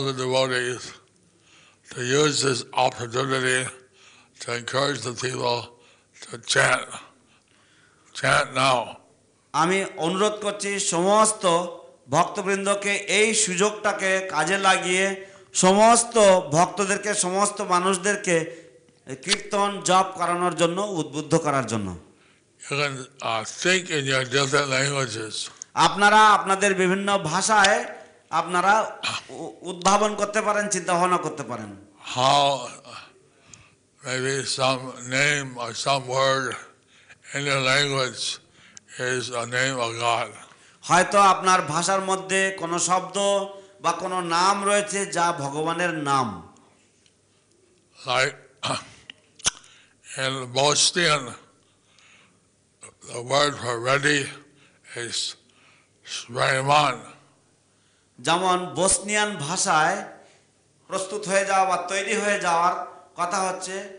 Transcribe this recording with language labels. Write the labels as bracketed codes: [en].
[en] the devotees to use this opportunity to encourage the people to chant now. [bn] আমি অনুরোধ করছি সমস্ত ভক্তবৃন্দকে এই সুযোগটাকে কাজে লাগিয়ে সমস্ত ভক্তদেরকে সমস্ত মানুষদেরকে কীর্তন জপ করানোর জন্য উদ্বুদ্ধ করার জন্য. [en] Even think in your different languages. [bn] আপনারা আপনাদের বিভিন্ন ভাষায় আপনারা উদ্ভাবন করতে পারেন চিন্তা ভাবনা করতে পারেন [en] how maybe some name or some word in your language is a name of God [bn] হয়তো আপনার ভাষার মধ্যে কোন শব্দ বা কোন নাম রয়েছে যা ভগবানের নাম [en] like in Bosnian the word for ready is Sreiman. [bn] যেমন বসনিয়ান ভাষায় প্রস্তুত হয়ে যাওয়া বা তৈরি হয়ে যাওয়ার কথা হচ্ছে